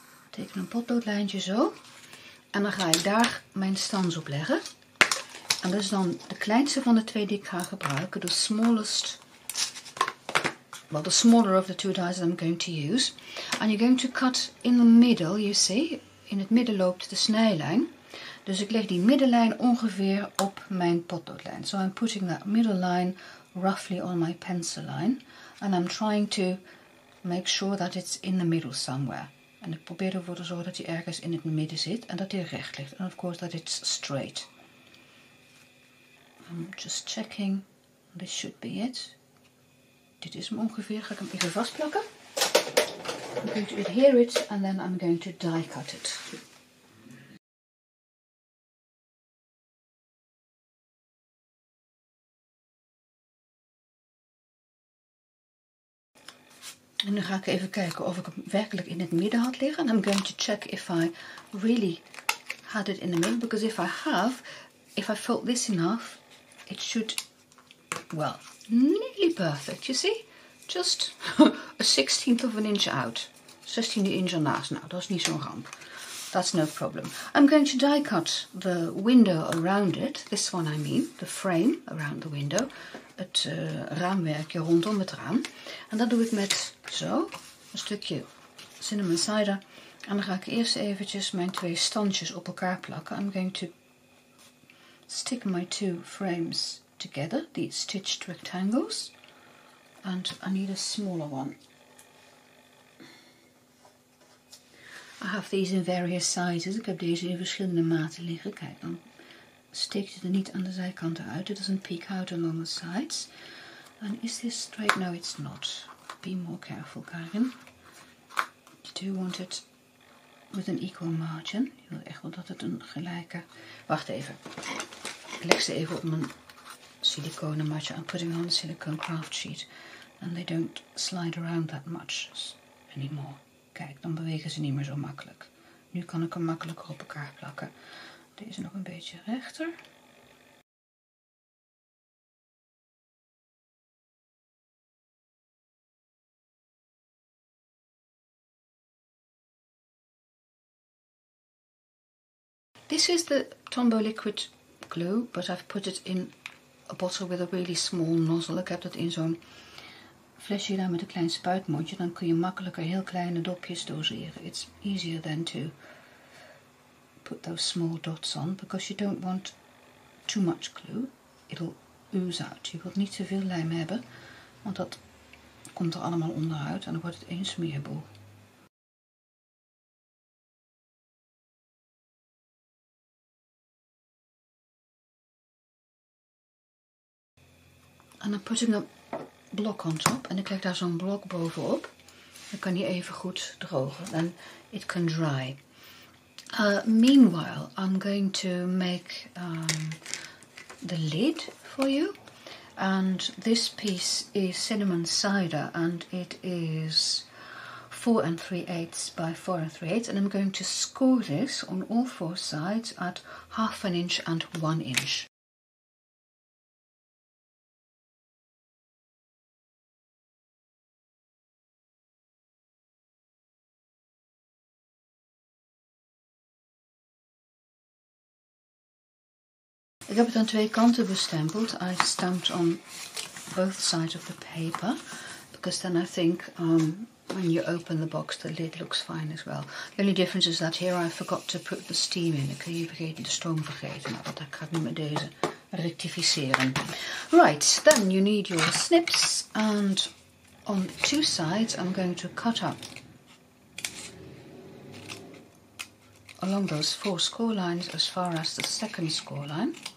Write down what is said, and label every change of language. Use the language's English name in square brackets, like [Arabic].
[Dutch] Teken een potloodlijntje zo. En dan ga ik daar mijn stans op leggen. En dat is dan de kleinste van de twee die ik ga gebruiken. [English] De smallest. Well, the smaller of the two dies that I'm going to use. And you're going to cut in the middle, you see. [Dutch] In het midden loopt de snijlijn. Dus ik leg die middenlijn ongeveer op mijn potloodlijn. [English] So I'm putting that middle line roughly on my pencil line. And I'm trying to make sure that it's in the middle somewhere. [Dutch] En ik probeer ervoor te zorgen dat hij ergens in het midden zit en dat hij recht ligt. [English] And of course that it's straight. I'm just checking. This should be it. [Dutch] Dit is hem ongeveer. Ga ik hem even vastplakken. [English] I'm going to adhere it and then I'm going to die cut it. [Dutch] En nu ga ik even kijken of ik hem werkelijk in het midden had liggen. [English] I'm going to check if I really had it in the middle. Because if I have, if I felt this enough, it should, well, nearly perfect, you see? Just a 16th of an inch out. [Dutch] 16e inch ernaast. Nou, dat is niet zo'n ramp. [English] That's no problem. I'm going to die cut the window around it. This one I mean, the frame around the window. [Dutch] Het raamwerkje rondom het raam. En dat doe ik met zo, een stukje cinnamon cider. En dan ga ik eerst eventjes mijn twee standjes op elkaar plakken. [English] I'm going to stick my two frames together, the stitched rectangles. And I need a smaller one. I have these in various sizes. [Dutch] Ik heb deze in verschillende maten liggen. Kijk dan. Steekt het er niet aan de zijkanten uit. [English] It doesn't peek out along the sides. And is this straight? No, it's not. Be more careful, Karin. You do want it with an equal margin. [Dutch] Je wil echt wel dat het een gelijke... Wacht even. Ik leg ze even op mijn siliconen matje. [English] I'm putting on a silicone craft sheet. And they don't slide around that much anymore. [Dutch] Kijk, dan bewegen ze niet meer zo makkelijk. Nu kan ik hem makkelijker op elkaar plakken. Deze nog een beetje rechter. [English] This is the Tombow Liquid Glue, but I've put it in a bottle with a really small nozzle. [Dutch] Ik heb dat in zo'n flesje gedaan met een klein spuitmondje. Dan kun je makkelijker heel kleine dopjes doseren. [English] It's easier than to put those small dots on, because you don't want too much glue. It'll ooze out. [Dutch] Je wilt niet te veel lijm hebben, want dat komt er allemaal onderuit en dan wordt het een smeerboel. En dan put ik een blok [English] on top [Dutch] en ik leg daar zo'n blok bovenop. Dan kan die even goed drogen. [English] Then it can dry. Meanwhile, I'm going to make the lid for you. And this piece is cinnamon cider and it is 4 3/8 by 4 3/8. And I'm going to score this on all four sides at 1/2 inch and 1 inch. [Dutch] Ik heb het aan twee kanten bestempeld. [English] I stamped on both sides of the paper. Because then I think when you open the box the lid looks fine as well. The only difference is that here I forgot to put the steam in. [Dutch] Ik heb hier vergeten, de stoom vergeten. Maar dat ga ik nu met deze rectificeren. [English] Right, then you need your snips. And on two sides I'm going to cut up along those four score lines as far as the second score line.